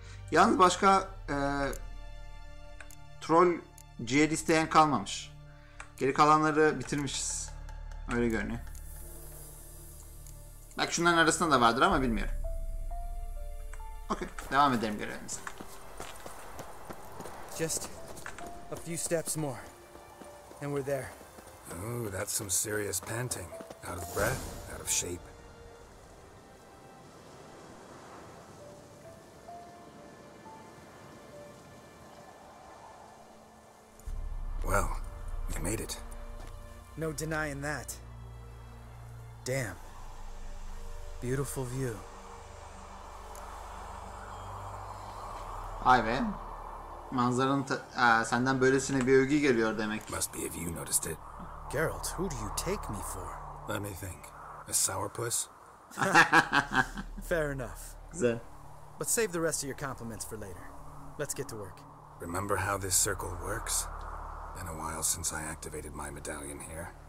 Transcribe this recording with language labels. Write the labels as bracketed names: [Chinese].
[Turkish] Yalnız başka troll ciğer isteyen kalmamış. Geri kalanları bitirmişiz. Öyle görünüyor. Belki şunların arasında da vardır ama bilmiyorum. Okay, devam edelim görevimize. [English] Just a few steps more and we're there. Oh, that's some serious panting. Out of breath, out of shape. Well, we made it. No denying that. Damn. Beautiful view. [Turkish] Vay be. Manzaranın senden böylesine bir övgü geliyor demek. [English] Must be if you noticed it. Geralt, who do you take me for? Let me think. A sourpuss? Fair enough. [Turkish] Güzel. [English] But save the rest of your compliments for later. Let's get to work. Remember how this circle works? Been a while since I activated my medallion here.